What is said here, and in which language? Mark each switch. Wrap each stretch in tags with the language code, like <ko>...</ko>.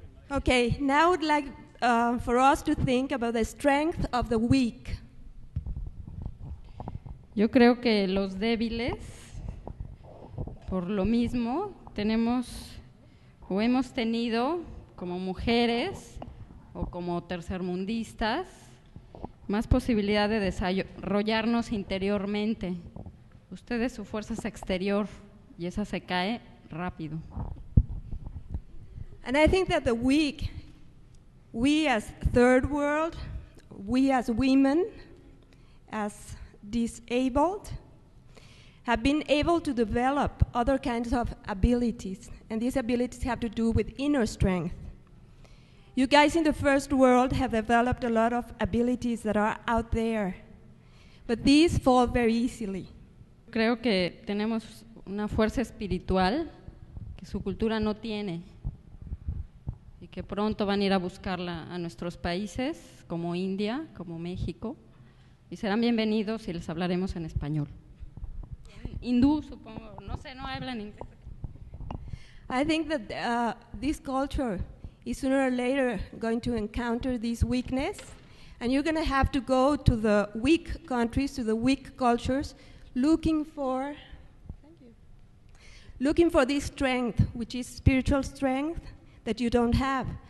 <en>Okay, now I'd like for us to think about the strength of the weak.</en> <es>Yo creo que los débiles, por lo mismo, tenemos o hemos tenido como mujeres o como tercermundistas más posibilidad de desarrollarnos interiormente. Ustedes, su fuerza es exterior, y esa se cae rápido.</es> <en>And I think that the weak, we as third world, we as women, as disabled, have been able to develop other kinds of abilities, and these abilities have to do with inner strength. You guys in the first world have developed a lot of abilities that are out there, but these fall very easily.</en> <es>Creo que tenemos una fuerza espiritual que su cultura no tiene y que pronto van a ir a buscarla a nuestros países, como India, como México, y serán bienvenidos y les hablaremos en español. Hindú, supongo, no sé, no hablan inglés.</es> <en>I think that this culture is sooner or later going to encounter this weakness, and you're going to have to go to the weak countries, to the weak cultures, looking for this strength, which is spiritual strength, that you don't have.</en>